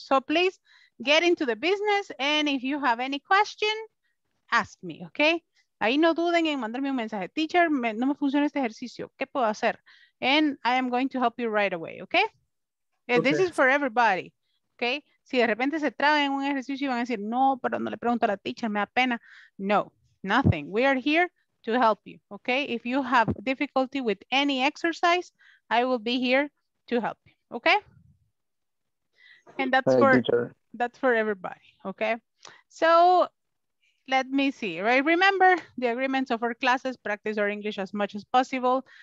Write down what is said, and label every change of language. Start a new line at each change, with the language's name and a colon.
English: So please get into the business and if you have any question, ask me, okay?
Spanish: Ahí no duden en mandarme un mensaje. Teacher, me, no me funciona este ejercicio. ¿Qué puedo hacer?
English: And I am going to help you right away, okay? Okay. This is for everybody, okay?
Spanish: Si de repente se traban en un ejercicio y van a decir, no, pero no le pregunto a la teacher, me da pena.
English: No, nothing. We are here to help you, okay? If you have difficulty with any exercise, I will be here to help you, okay? And that's for teacher. That's for everybody, okay? So let me see, right? Remember the agreements of our classes, practice our English as much as possible.